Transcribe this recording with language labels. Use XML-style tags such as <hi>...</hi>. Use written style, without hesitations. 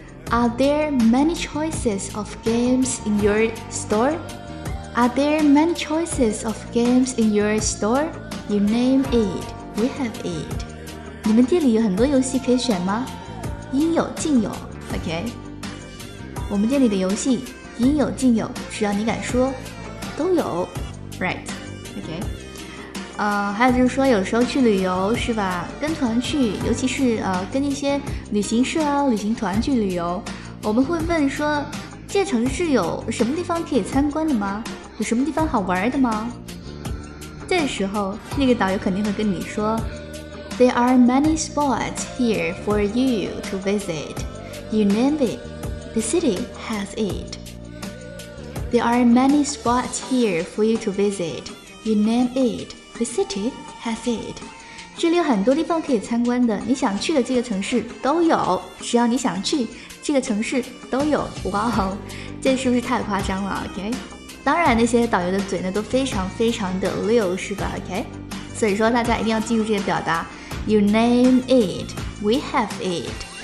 <en>Are there many choices of games in your store? Are there many choices of games in your store? You name it, we have it.</en> <zh>你们店里有很多游戏可以选吗？应有尽有， OK? 我们店里的游戏应有尽有，只要你敢说，都有， right? OK? 还有就是说，有时候去旅游是吧？跟团去，尤其是跟一些旅行社啊、旅行团去旅游，我们会问说，这城市有什么地方可以参观的吗？有什么地方好玩的吗？这时候那个导游肯定会跟你说，</zh> <en>There are many spots here for you to visit. You name it, the city has it. There are many spots here for you to visit. You name it, the city has it.</en> <zh>这里有很多地方可以参观的，你想去的这个城市都有，只要你想去这个城市都有。哇哦，这是不是太夸张了？ OK，当然那些导游的嘴呢都非常非常的溜是吧， OK， 所以说大家一定要记住这个表达，</zh> <en>You name it, we have it.</en>